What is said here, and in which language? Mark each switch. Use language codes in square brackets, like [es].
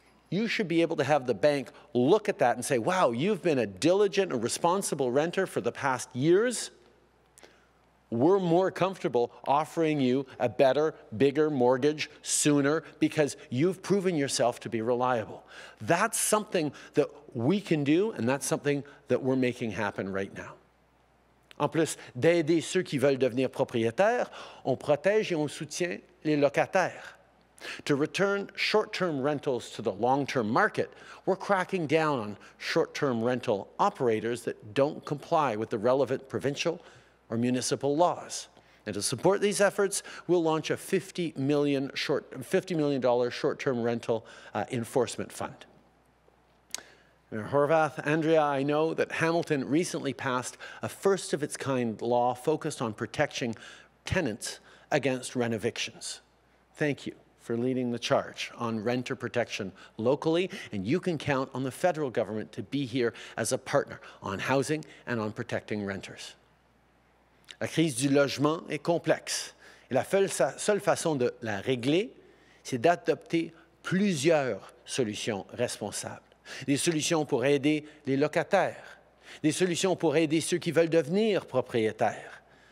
[en] you should be able to have the bank look at that and say, wow, you've been a diligent and responsible renter for the past years. We're more comfortable offering you a better, bigger mortgage sooner because you've proven yourself to be reliable. That's something that we can do, and that's something that we're making happen right now. [fr] En plus d'aider ceux qui veulent devenir propriétaires, on protège et on soutient les locataires. [en] To return short-term rentals to the long-term market, we're cracking down on short-term rental operators that don't comply with the relevant provincial or municipal laws. And to support these efforts, we'll launch a $50 million short-term rental enforcement fund. Mayor Horvath, Andrea, I know that Hamilton recently passed a first-of-its-kind law focused on protecting tenants against rent evictions. Thank you for leading the charge on renter protection locally, and you can count on the federal government to be here as a partner on housing and on protecting renters. [fr] La crise du logement est complexe, et la seule façon de la régler, c'est d'adopter plusieurs solutions responsables. Des solutions pour aider les locataires, des solutions pour aider ceux qui veulent devenir propriétaires.